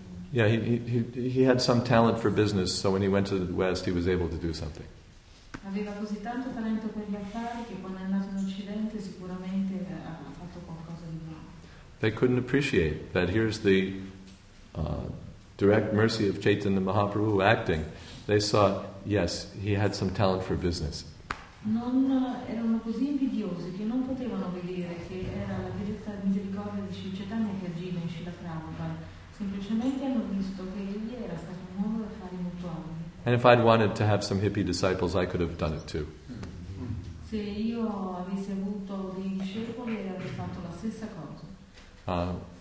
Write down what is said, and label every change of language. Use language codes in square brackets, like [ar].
[en] Yeah, he had some talent for business, so when he went to the West he was able to do something. [it] Aveva così tanto talento per gli affari che quando è andato in Occidente sicuramente ha fatto qualcosa di nuovo. [en] They couldn't appreciate that here's the direct mercy of Chaitanya Mahaprabhu acting. They saw, yes, he had some talent for business. [it] Non erano così invidiosi che non potevano vedere che era la diretta misericordia di Sri Chaitanya che agiva in Srila Prabhupada. Semplicemente hanno visto che egli era stato un uomo d'affari molto abile. [en] And if I'd wanted to have some hippie disciples, I could have done it too. [it] Se io avessi avuto dei discepoli, avrei fatto la stessa cosa.